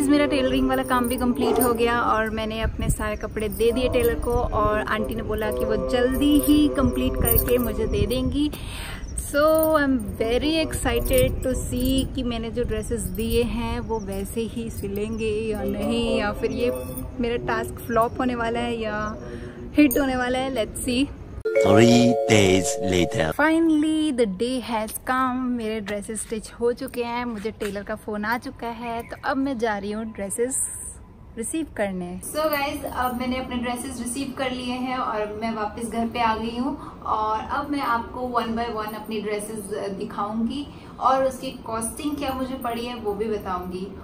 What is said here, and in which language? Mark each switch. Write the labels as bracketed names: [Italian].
[Hindi] Tailoring वाला काम भी कंप्लीट हो गया और मैंने अपने सारे कपड़े दे दिए टेलर को. और आंटी ने बोला कि वो जल्दी ही कंप्लीट करके मुझे दे देंगी. [English] so I am very excited to see [Hindi] कि मैंने जो ड्रेसेस दिए हैं वो वैसे ही सिलेंगे या नहीं, या फिर ये मेरा टास्क फ्लॉप होने वाला है या हिट होने वाला है. [English] Let's see. 3 days later. Finally, the day has come. [Hindi] मेरे ड्रेसेस स्टिच हो चुके हैं, मुझे टेलर का फोन आ चुका है, तो अब मैं जा रही हूँ ड्रेसेस रिसीव करने. सो गाइज, अब मैंने अपने ड्रेसेस रिसीव कर लिए हैं और मैं वापस घर पे आ गई हूँ और अब मैं आपको वन बाय वन अपनी ड्रेसेस दिखाऊंगी और उसकी कॉस्टिंग क्या मुझे पड़ी है वो भी बताऊंगी.